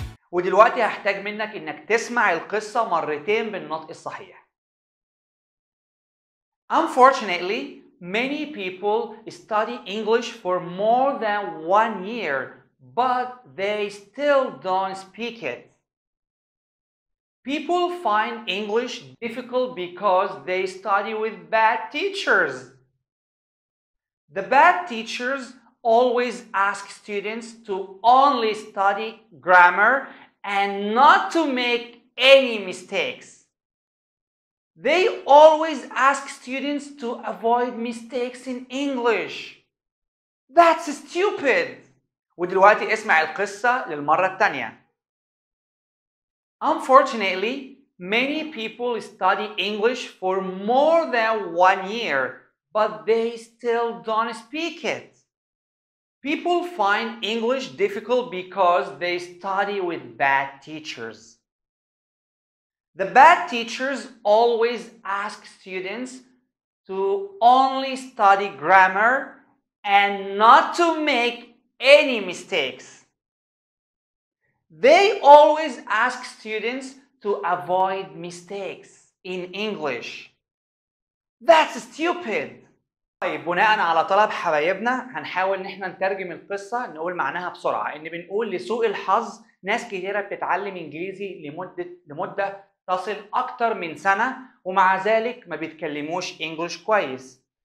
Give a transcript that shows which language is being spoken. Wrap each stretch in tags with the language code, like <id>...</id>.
<ar>ودلوقتي هحتاج منك انك تسمع القصة مرتين بالنطق الصحيح.</ar> <en>Unfortunately, many people study English for more than one year, but they still don't speak it. People find English difficult because they study with bad teachers. The bad teachers always ask students to only study grammar and not to make any mistakes. They always ask students to avoid mistakes in English. That's stupid.</en> <ar>ودلوقتي اسمع القصة للمرة الثانية.</ar> <en>Unfortunately, many people study English for more than one year, but they still don't speak it. People find English difficult because they study with bad teachers. The bad teachers always ask students to only study grammar and not to make any mistakes. They always ask students to avoid mistakes in English. That's stupid.</en> <ar>طيب، بناء على طلب حبايبنا هنحاول ان احنا نترجم القصة، نقول معناها بسرعة ان بنقول لسوء الحظ ناس كتيرة بتتعلم انجليزي لمدة تصل اكتر من سنة ومع ذلك ما بيتكلموش انجلش كويس.</ar>